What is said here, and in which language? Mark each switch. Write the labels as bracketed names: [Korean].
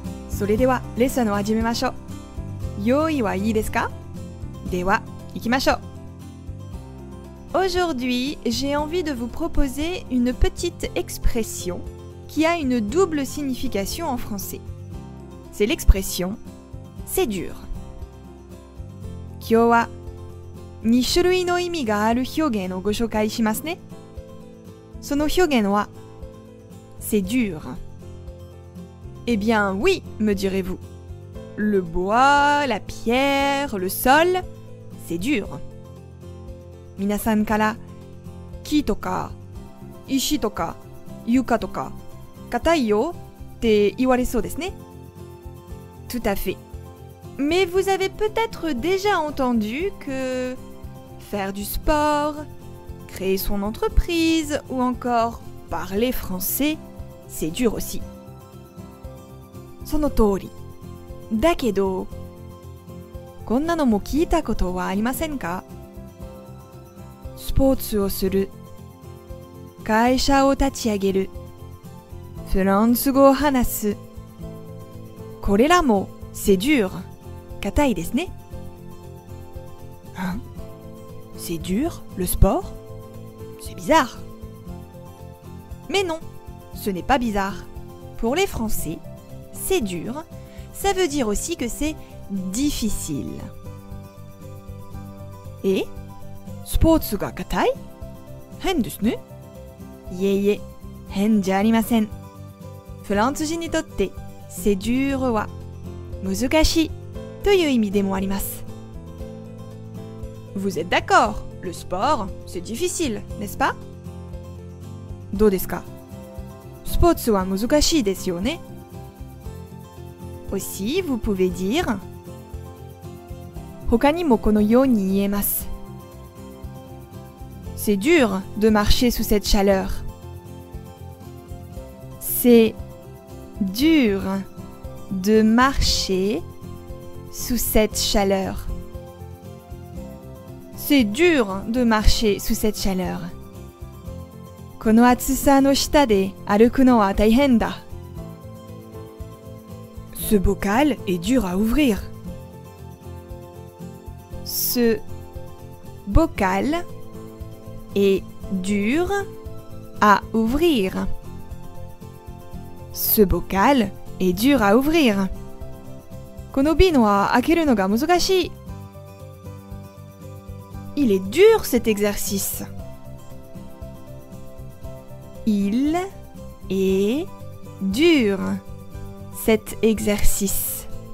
[Japanese] それでは、レッスンを始めましょう。用意はいいですか?では、行きましょう。 [French] Aujourd'hui, j'ai envie de vous proposer une petite expression qui a une double signification en français. C'est l'expression « c'est dur ». [Japanese] 今日は、2種類の意味がある表現をご紹介しますね。その表現は、「c'est dur ». [French] Eh bien oui, me direz-vous. Le bois, la pierre, le sol, c'est dur. [Japanese] 皆さんから木とか石とか床とか硬いよって言われそうですね。 [French] Tout à fait. Mais vous avez peut-être déjà entendu que faire du sport, créer son entreprise ou encore parler français, c'est dur aussi. [Japanese] その通り。だけど、こんなのも聞いたことはありませんか? スポーツをする。会社を立ち上げる。フランス語を話す。これらも、c'est dur。硬いですね。 [French] C'est dur? Le sport? C'est bizarre. Mais non, ce n'est pas bizarre. Pour les Français,C'est dur, ça veut dire aussi que c'est difficile. [Japanese] Et? Sports ga katai? Hen desu ne? Yeye, hen ja arimasen. Fransuji ni totte, c'est dur wa 難しいという意味でもあります。 [French] Vous êtes d'accord? Le sport, c'est difficile, n'est-ce pas? [Japanese] どうですか? スポーツは難しいですよね? [French] Aussi, vous pouvez dire... [Japanese] 他にもこのように言えます。 [French] C'est dur de marcher sous cette chaleur. C'est dur de marcher sous cette chaleur. C'est dur de marcher sous cette chaleur. [Japanese] この暑さの下で歩くのは大変だ。 [French] Ce bocal est dur à ouvrir. Ce bocal... est dur à ouvrir. Ce bocal est dur à ouvrir. [Japanese] この瓶は開けるのが難しい。 [French] Il est dur cet exercice. Il est dur cet exercice.